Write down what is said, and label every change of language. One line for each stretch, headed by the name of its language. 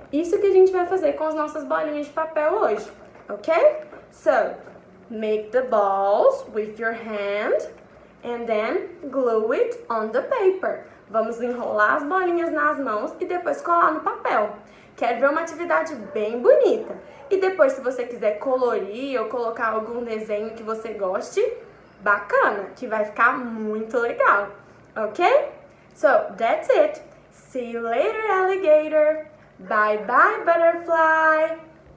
Portuguese: Isso que a gente vai fazer com as nossas bolinhas de papel hoje. Ok?
English: So, make the balls with your hand and then glue it on the paper.
Portuguese: Vamos enrolar as bolinhas nas mãos e depois colar no papel. Quer ver uma atividade bem bonita? E depois, se você quiser colorir ou colocar algum desenho que você goste, bacana, que vai ficar muito legal. Ok?
English: So, that's it. See you later, alligator. Bye, bye, butterfly.